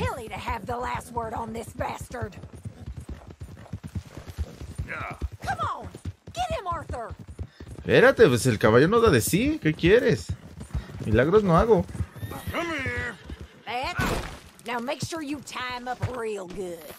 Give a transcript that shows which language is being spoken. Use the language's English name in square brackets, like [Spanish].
[English] Tilly to have the last word on this bastard. Come on, get him, Arthur. [Spanish] Espérate, pues el caballo no da de sí. ¿Qué quieres? Milagros no hago. [English] Come here. Bat, now make sure you tie him up real good.